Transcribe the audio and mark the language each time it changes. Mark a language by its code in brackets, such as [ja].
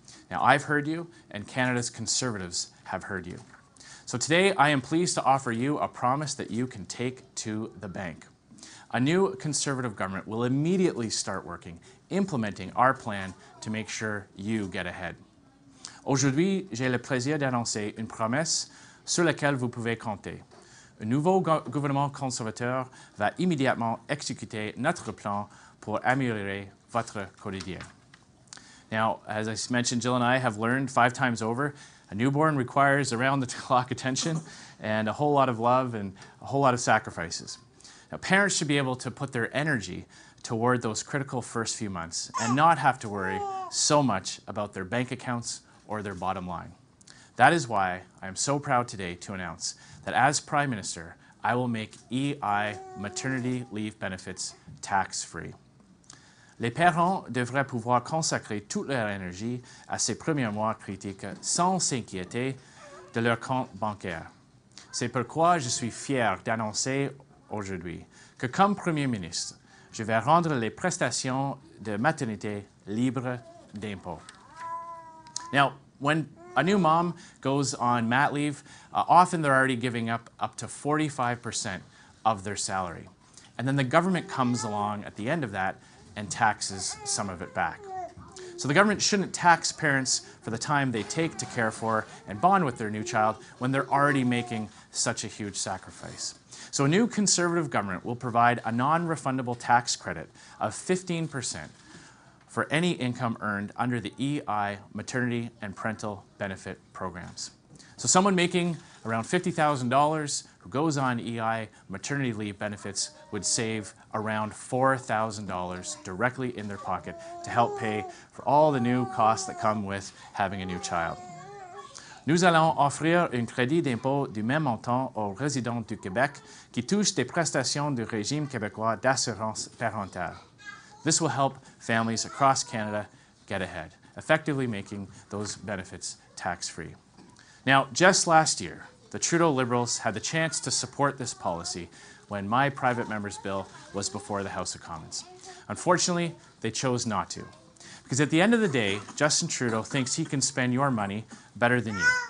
[en] Now, I've heard you, and Canada's Conservatives have heard you. So today, I am pleased to offer you a promise that you can take to the bank. A new Conservative government will immediately start working, implementing our plan to make sure you get ahead. [fr] Aujourd'hui, j'ai le plaisir d'annoncer une promesse sur laquelle vous pouvez compter. Un nouveau gouvernement conservateur va immédiatement exécuter notre plan pour améliorer votre quotidien. [en] Now, as I mentioned, Jill and I have learned five times over, a newborn requires around-the-clock attention and a whole lot of love and a whole lot of sacrifices. Now, parents should be able to put their energy toward those critical first few months and not have to worry so much about their bank accounts or their bottom line. That is why I am so proud today to announce that as Prime Minister, I will make EI maternity leave benefits tax-free. [fr] Les parents devraient pouvoir consacrer toute leur énergie à ces premiers mois critiques sans s'inquiéter de leur compte bancaire. C'est pourquoi je suis fier d'annoncer aujourd'hui que comme Premier ministre, je vais rendre les prestations de maternité libres d'impôts. [en] Now, when a new mom goes on mat leave, often they're already giving up to 45% of their salary. And then the government comes along at the end of that and taxes some of it back. So the government shouldn't tax parents for the time they take to care for and bond with their new child when they're already making such a huge sacrifice. So a new Conservative government will provide a non-refundable tax credit of 15% for any income earned under the EI maternity and parental benefit programs. So someone making around $50,000 who goes on EI maternity leave benefits would save around $4,000 directly in their pocket to help pay for all the new costs that come with having a new child. [fr] Nous allons offrir un crédit d'impôt du même montant aux résidents du Québec qui touchent des prestations du régime québécois d'assurance parentale. [en] This will help families across Canada get ahead, effectively making those benefits tax-free. Now, just last year, the Trudeau Liberals had the chance to support this policy when my private member's bill was before the House of Commons. Unfortunately, they chose not to. Because at the end of the day, Justin Trudeau thinks he can spend your money better than you.